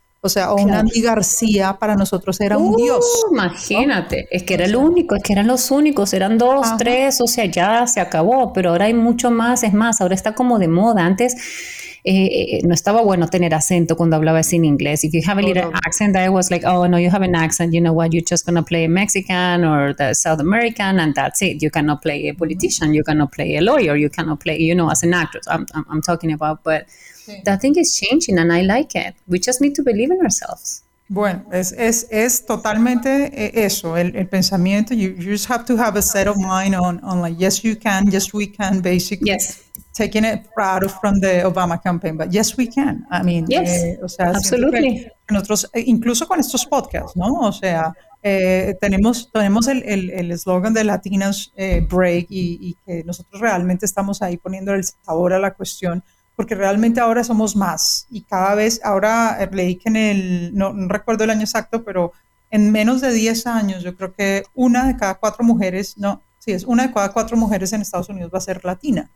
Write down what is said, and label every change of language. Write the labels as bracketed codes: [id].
[es] O sea, un Andy García para nosotros era un dios. Imagínate, ¿no? Es que era el único, es que eran los únicos, eran dos, tres, o sea, ya se acabó, pero ahora hay mucho más, es más, ahora está como de moda. Antes no estaba bueno tener acento cuando hablabas en inglés. [en] If you have a little accent, I was like, oh, no, you have an accent, you know what, you're just going to play a Mexican or the South American and that's it. You cannot play a politician, you cannot play a lawyer, you cannot play, you know, as an actress, I'm talking about, but... That thing is changing and I like it. We just need to believe in ourselves. [es] Bueno, es totalmente eso, el pensamiento. [en] You just have to have a set of mind on like, yes, you can, yes, we can, basically. Yes. Taking it out from the Obama campaign, but yes, we can. I mean, yes, [es] o sea, [en] absolutely. [es] Nosotros, incluso con estos podcasts, ¿no? O sea, tenemos el eslogan de Latinas Break y que nosotros realmente estamos ahí poniendo el sabor a la cuestión. Porque realmente ahora somos más y cada vez, ahora leí que no recuerdo el año exacto, pero en menos de 10 años yo creo que una de cada cuatro mujeres en Estados Unidos va a ser latina.